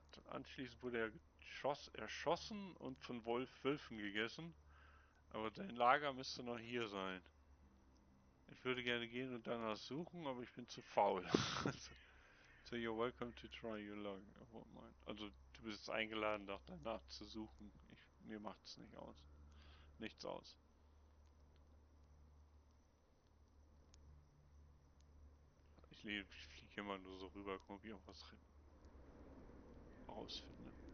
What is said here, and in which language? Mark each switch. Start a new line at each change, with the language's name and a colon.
German: Anschließend wurde er erschossen und von Wölfen gegessen. Aber sein Lager müsste noch hier sein. Ich würde gerne gehen und danach suchen, aber ich bin zu faul.
English: So, you're welcome to try your luck.
German: Also, du bist eingeladen, doch danach zu suchen. Mir macht's nicht aus. Nichts aus. Ich fliege immer nur so rüber, guck mal, ob ich irgendwas rausfinde.